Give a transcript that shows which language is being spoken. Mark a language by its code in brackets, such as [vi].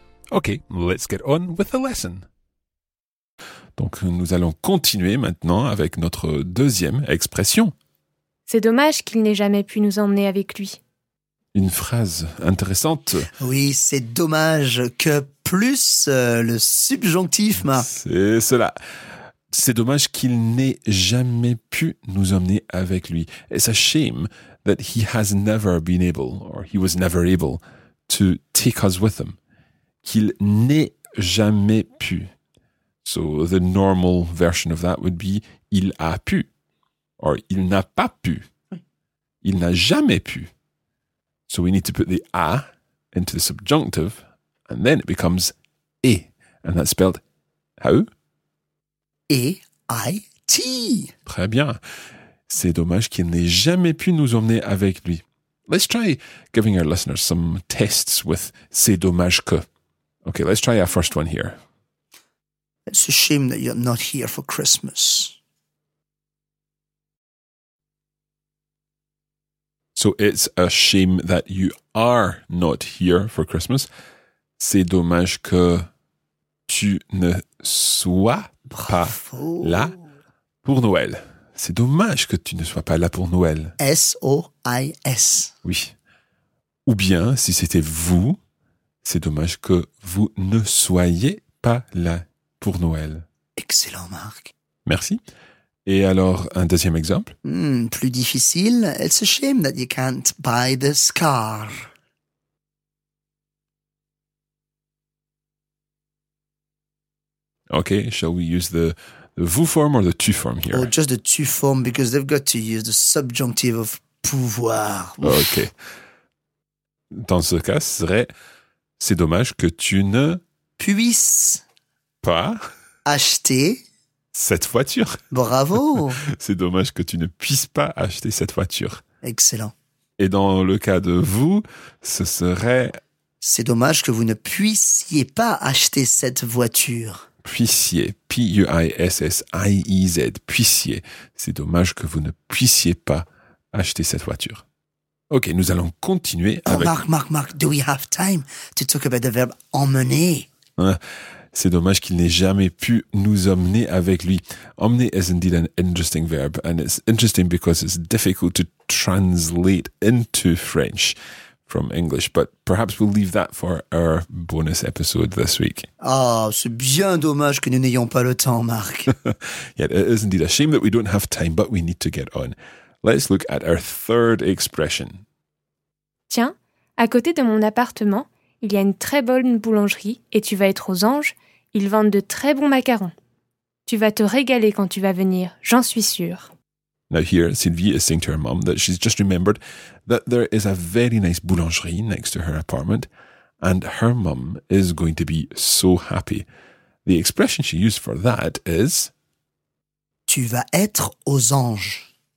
[en] Ok, let's get on with the lesson. [fr] Donc, nous allons continuer maintenant avec notre deuxième expression. C'est dommage qu'il n'ait jamais pu nous emmener avec lui. Une phrase intéressante. Oui, c'est dommage que plus le subjonctif, ma. C'est cela. C'est dommage qu'il n'ait jamais pu nous emmener avec lui. [en] It's a shame that he has never been able, or he was never able, to take us with him. [fr] Qu'il n'ait jamais pu. [en] So the normal version of that would be [fr] il a pu, [en] or [fr] il n'a pas pu. Il n'a jamais pu. [en] So we need to put the a into the subjunctive, and then it becomes e, and that's spelled how? E-I-T. [fr] Très bien. C'est dommage qu'il n'ait jamais pu nous emmener avec lui. [en] Let's try giving our listeners some tests with [fr] c'est dommage que. [en] Okay, let's try our first one here. It's a shame that you're not here for Christmas. So it's a shame that you are not here for Christmas. [fr] C'est dommage que tu ne sois Bravo. Pas là pour Noël. C'est dommage que tu ne sois pas là pour Noël. S-O-I-S. Oui. Ou bien, si c'était vous, c'est dommage que vous ne soyez pas là pour Noël. Excellent, Marc. Merci. Et alors, un deuxième exemple? Plus difficile. [en] It's a shame that you can't buy this car. Okay, shall we use the vous form or the tu form here? Oh, just the tu form, because they've got to use the subjonctive of pouvoir. Okay. [fr] Dans ce cas, ce serait, c'est dommage que tu ne puisses pas acheter cette voiture. Bravo. C'est dommage que tu ne puisses pas acheter cette voiture. Excellent. Et dans le cas de vous, ce serait... C'est dommage que vous ne puissiez pas acheter cette voiture. Puissiez. P-U-I-S-S-I-E-Z. Puissiez. C'est dommage que vous ne puissiez pas acheter cette voiture. Ok, nous allons continuer avec... [en] Marc, do we have time to talk about the verb emmener? [fr] C'est dommage qu'il n'ait jamais pu nous emmener avec lui. [en] Emmener is indeed an interesting verb, and it's interesting because it's difficult to translate into French from English. But perhaps we'll leave that for our bonus episode this week. [fr] Ah, oh, c'est bien dommage que nous n'ayons pas le temps, Marc. [en] Yeah, it is indeed a shame that we don't have time, but we need to get on. Let's look at our third expression. [fr] Tiens, à côté de mon appartement, il y a une très bonne boulangerie et tu vas être aux anges. Ils vendent de très bons macarons. Tu vas te régaler quand tu vas venir, j'en suis sûre. [en] Now here, Sylvie is saying to her mom that she's just remembered that there is a very nice boulangerie next to her apartment and her mom is going to be so happy. The expression she used for that is... [fr] Tu vas être aux anges.